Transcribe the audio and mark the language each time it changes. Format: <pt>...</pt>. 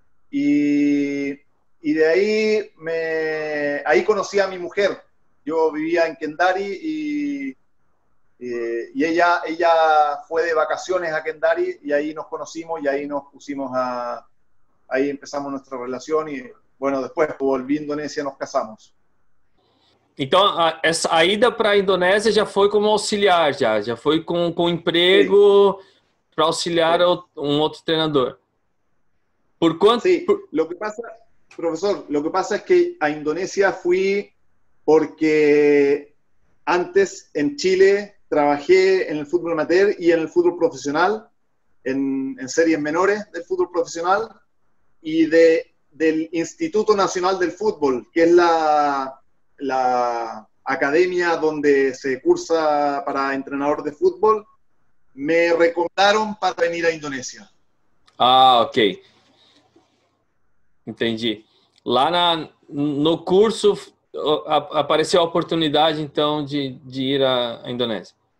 <es>Y de ahí, ahí conocí a mi mujer. Yo vivía en Kendari y ella fue de vacaciones a Kendari y ahí nos conocimos y ahí nos pusimos a... Ahí empezamos nuestra relación y, bueno, después volví a Indonesia, nos casamos.</es> <pt>Então, a ida para a Indonésia já foi como auxiliar, já foi com emprego para auxiliar um outro treinador. Por quanto?</pt> <es>Sim, lo que pasa, professor, lo que pasa es que a Indonésia fui porque antes en Chile trabajé en el fútbol amateur y en el fútbol profesional, en series menores del fútbol profesional y del Instituto Nacional del Fútbol, que es la academia donde se cursa para entrenador de fútbol, me recomendaron para venir a Indonesia.</es> <pt>Ah, ok. Entendi. Lá no curso apareceu a oportunidade, então, de ir à Indonésia.</pt>